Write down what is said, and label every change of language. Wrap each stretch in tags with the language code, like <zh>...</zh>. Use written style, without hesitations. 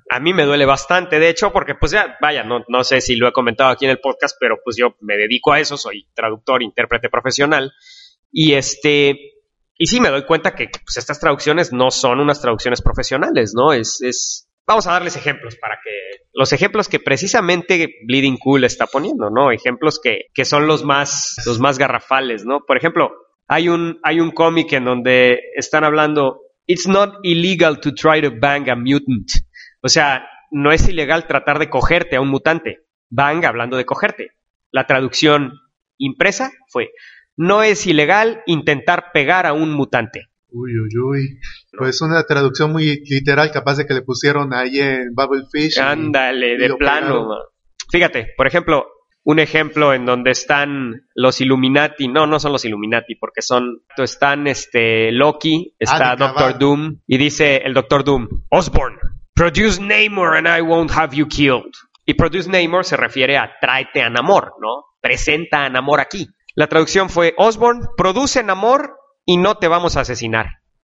<es>A mí me duele bastante, de hecho, porque pues ya, vaya, no sé si lo he comentado aquí en el podcast, pero pues yo me dedico a eso, soy traductor, intérprete profesional, y sí me doy cuenta que pues estas traducciones no son unas traducciones profesionales, ¿no? Vamos a darles ejemplos para que... Los ejemplos que precisamente Bleeding Cool está poniendo, ¿no? Ejemplos que son los más garrafales, ¿no? Por ejemplo, hay un cómic en donde están hablando...</es> <en>It's not illegal to try to bang a mutant.</en> <es>O sea, no es ilegal tratar de cogerte a un mutante. Bang, hablando de cogerte. La traducción impresa fue... No es ilegal intentar pegar a un mutante. Uy, uy, uy. Pues una traducción muy literal, capaz de que le pusieron ahí en Bubblefish. Ándale, de plano. Fíjate, por ejemplo, un ejemplo en donde están los Illuminati. No son los Illuminati, porque son... Están Loki, está Doctor Doom. Y dice el Doctor Doom, Osborn,</es> <en>produce Namor and I won't have you killed.</en> <es>Y</es> <en>produce Namor</en> <es>se refiere a tráete a Namor, ¿no? Presenta a Namor aquí. La traducción fue, Osborn,</es> <en>produce Namor</en> <es>y no te vamos a asesinar.</es>